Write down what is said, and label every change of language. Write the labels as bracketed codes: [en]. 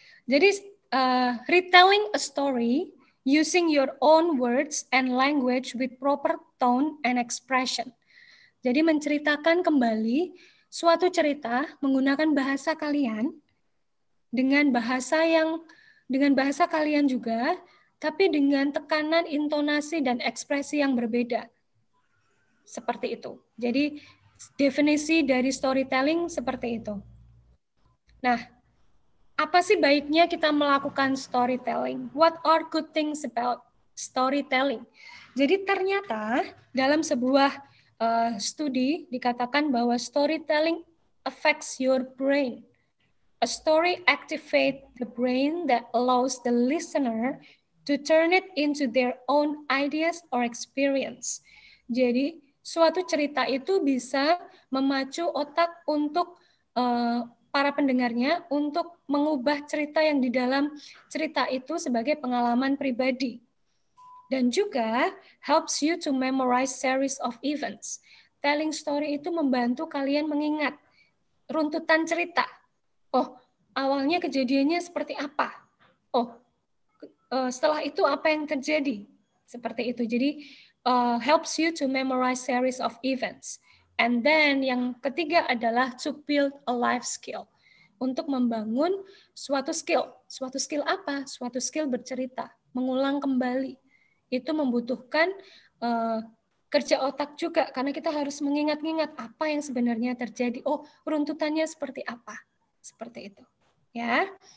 [id] Jadi, [en] retelling a story using your own words and language with proper tone and expression. [id] Jadi menceritakan kembali suatu cerita menggunakan bahasa kalian dengan bahasa kalian juga, tapi dengan tekanan, intonasi, dan ekspresi yang berbeda. Seperti itu. Jadi definisi dari storytelling seperti itu. Nah, apa sih baiknya kita melakukan storytelling? [en] What are good things about storytelling? [id] Jadi ternyata dalam sebuah studi dikatakan bahwa [en] storytelling affects your brain. A story activates the brain that allows the listener to turn it into their own ideas or experience. [id] Jadi suatu cerita itu bisa memacu otak untuk para pendengarnya untuk mengubah cerita yang di dalam cerita itu sebagai pengalaman pribadi. Dan juga [en] helps you to memorize series of events. [id] Telling story itu membantu kalian mengingat runtutan cerita. Oh, awalnya kejadiannya seperti apa? Oh, setelah itu apa yang terjadi? Seperti itu. Jadi, [en] helps you to memorize series of events. And then [id] yang ketiga adalah [en] to build a life skill. [id] Untuk membangun suatu skill. Suatu skill apa? Suatu skill bercerita. Mengulang kembali. Itu membutuhkan kerja otak juga. Karena kita harus mengingat-ingat apa yang sebenarnya terjadi. Oh, runtutannya seperti apa? Seperti itu. Ya.